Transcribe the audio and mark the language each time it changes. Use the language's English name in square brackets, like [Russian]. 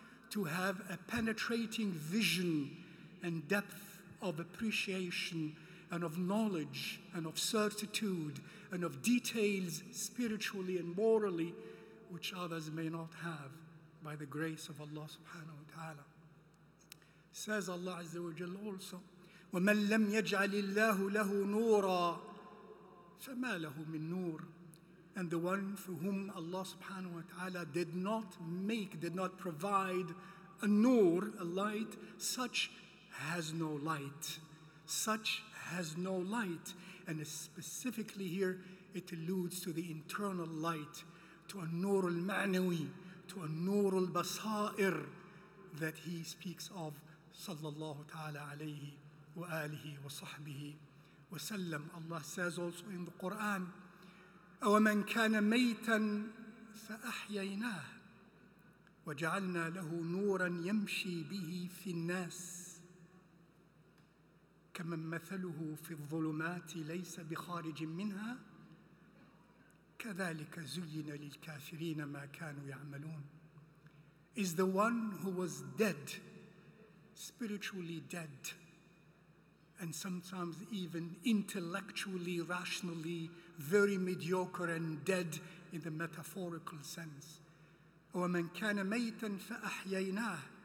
[English] to have a penetrating vision and depth of appreciation and of knowledge and of certitude and of details spiritually and morally which others may not have by the grace of Allah subhanahu wa ta'ala. Says Allah Azza wa Jalla also, [Arabic] وَمَنْ لَمْ يَجْعَلِ اللَّهُ لَهُ نُورًا فَمَا لَهُ مِن نُورٍ. [English] And the one for whom Allah subhanahu wa ta'ala did not provide a nur, a light, such has no light. Such has no light. And specifically here, it alludes to the internal light, to an-nur al-ma'nawi, to an-nur al-basair that he speaks of, sallallahu ta'ala alayhi wa alihi wa sahbihi wa sallam. Allah says also in the Quran, [Arabic] أَوَمَنْ كَانَ مَيْتًا فَأَحْيَيْنَاهُ وَجَعَلْنَا لَهُ نُورًا يَمْشِي بِهِ فِي النَّاسِ كَمَنْ مَثَلُهُ فِي الظُّلُمَاتِ لَيْسَ بِخَارِجٍ مِّنْهَا كَذَلِكَ زُيِّنَ لِلْكَافِرِينَ مَا كَانُوا يَعْمَلُونَ. [English] Is the one who was dead, spiritually dead, and sometimes even intellectually, rationally, very mediocre and dead in the metaphorical sense. [Arabic] وَمَنْ كَانَ مَيْتًا فَأَحْيَيْنَاهُ.